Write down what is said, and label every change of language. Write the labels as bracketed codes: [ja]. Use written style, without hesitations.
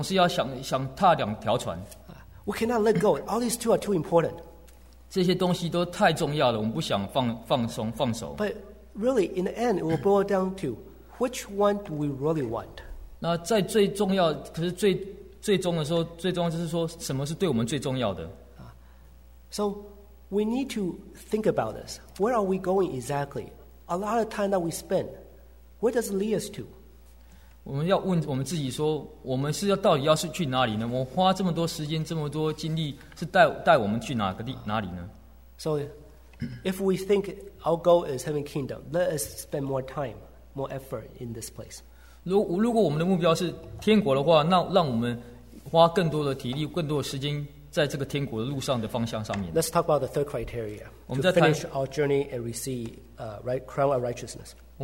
[zh] 这问题是说你要选一个，只能选一个。但是我们人总是要想踏两条船。 [en] We cannot let go. All these two are too important. [zh] 这些东西都太重要了，我们不想放松放手。 [en] But really, in the end, it will boil down to which one do we really want? [zh] 那在最重要，可是最终的时候，最重要就是说，什么是对我们最重要的？ [en] So we need to think about this. Where are we going exactly? A lot of time that we spend, where does it lead us to? [zh] 我们要问我们自己说，我们是要到底要是去哪里呢？我花这么多时间、这么多精力，是带我们去哪个地哪里呢？ [en] So if we think our goal is heaven kingdom, let us spend more time, more effort in this place. [zh] 如果我们的目标是天国的话，那让我们花更多的体力、更多的时间。在这个天国的路上的方向上面， [en] Let's talk about the third criteria to finish our journey and receive a crown of righteousness.